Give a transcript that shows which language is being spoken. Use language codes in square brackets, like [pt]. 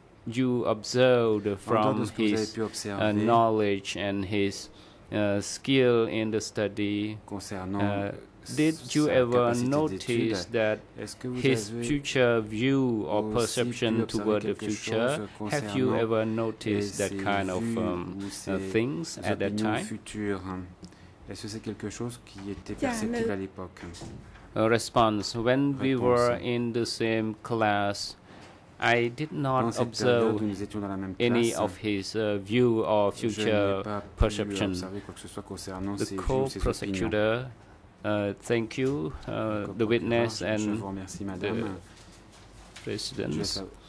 [en] you observed from his knowledge and his skill in the study, did you ever notice that his future view or perception toward the future, have you ever noticed that kind of things at that time? [fr] Est-ce que c'est quelque chose qui était perceptible à l'époque? [en] Response. When we were in the same class, I did not observe any of his view or future perception. The co-prosecutor, thank you, the witness and the president.